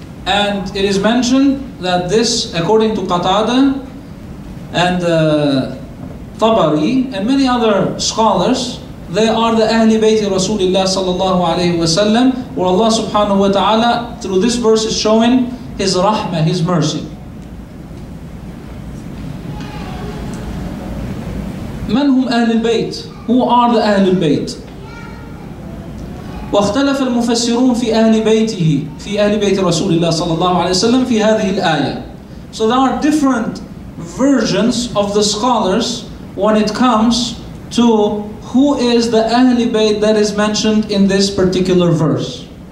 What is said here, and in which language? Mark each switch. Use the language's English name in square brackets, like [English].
[English] And it is mentioned that this, according to Qatada and Tabari and many other scholars, they are the Ahli Bayt Rasulullah sallallahu alayhi wa sallam, where Allah subhanahu wa ta'ala through this verse is showing His rahmah, His mercy. [Arabic] من هم أهل البيت؟ [English] Who are the [Arabic] أهل البيت؟ واختلف المفسرون في أهل بيته في أهل بيت رسول الله صلى الله عليه وسلم في هذه الآية. [English] So there are different versions of the scholars when it comes to who is the أهل بيت that is mentioned in this particular verse.